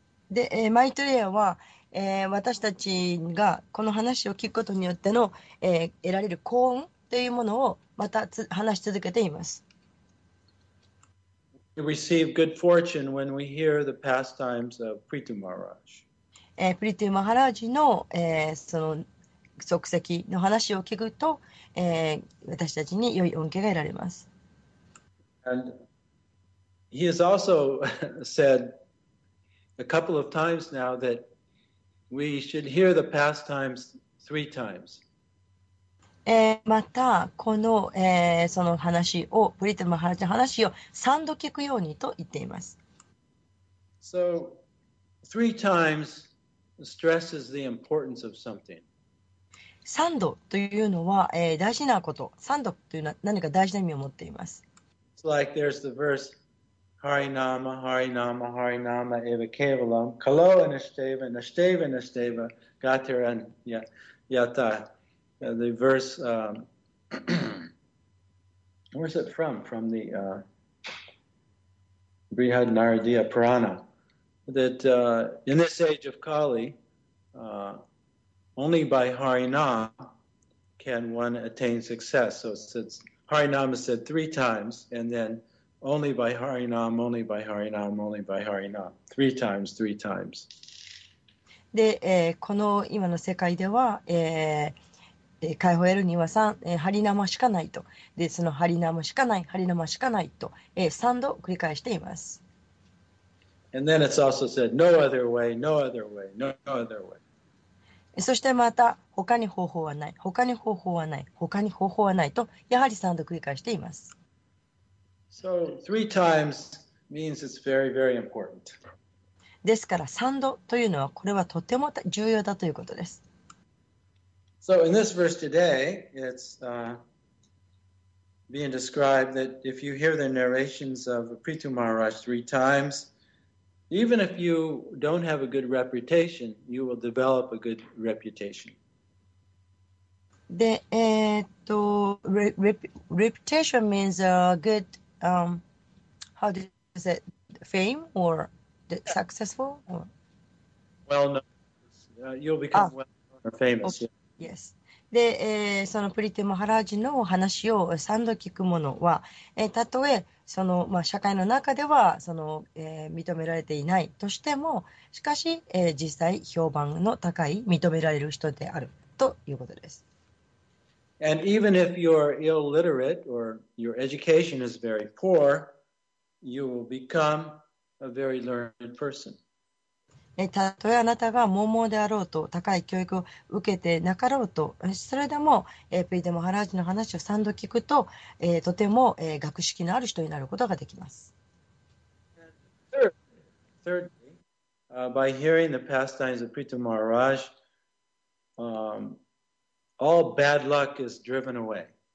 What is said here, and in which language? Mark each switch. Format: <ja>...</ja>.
<ja>で、マイトレアは、私たちがこの話を聞くことによっての、得られる幸運というものをまた話し続けています。</ja> <en>We receive good fortune when we hear the pastimes of Prithu Maharaj.</en> <ja>プリトゥマハラージの、その足跡の話を聞くと、私たちに良い恩恵が得られます。</ja> <en>And he has also said,A couple of times now that we should hear the pastimes three times.</en> <ja>またこの、その話をブリトゥマハラジの話を3度聞くようにと言っています。</ja> <en>So three times stresses the importance of something.</en> <ja>3度というのは、大事なこと。3度というのは何か大事な意味を持っています。</ja> <en>It's like there's the verse.</en> <sa>Hari Nama, Hari Nama, Hari Nama, Eva Kevalam, Kalo Anishteva, Nishteva Anishteva, Gatira Yata.</sa> <en>The verse, where's it from? From the Brihad Naradiya Purana. That in this age of Kali, only by Hari Nama can one attain success. So it's Hari Nama said three times, and then,Only by Hari Nam, only by Hari Nam, only by Hari Nam. Three times, three times.</en> <ja>で、この今の世界では、解放を得るには三、ハリナマしかないと。で、そのハリナマしかない、ハリナマしかないと、三度繰り返しています。</ja> <en>And then it's also said, no other way, no other way, no other way.</en> <ja>そしてまた、他に方法はない、他に方法はない、他に方法はないと、やはり三度繰り返しています。</ja> <en>So three times means it's very, very important.</en> <ja>ですから3度というのはこれはとても重要だということです。</ja> <en>So in this verse today, it's being described that if you hear the narrations of Prithu Maharaj three times, even if you don't have a good reputation, you will develop a good reputation. で、reputation means a goodhow did you say it? Fame or the successful? Or? Well, no. You'll become well or famous. Okay. Yes.</en> <ja>で、そのプリティ・マハラージの話を3度聞く者は、たとえその、まあ、社会の中ではその、認められていないとしても、しかし、実際評判の高い認められる人であるということです。</ja> <en>And even if you're illiterate or your education is very poor, you will become a very learned person.</en> <ja>たとえあなたが盲々であろうと、高い教育を受けてなかろうと、それでも、プリティ・マハラージの話を三度聞くと、とても、学識のある人になることができます。</ja> <en>Thirdly, by hearing the pastimes of Prithu Maharaj, All bad luck is driven away.</en>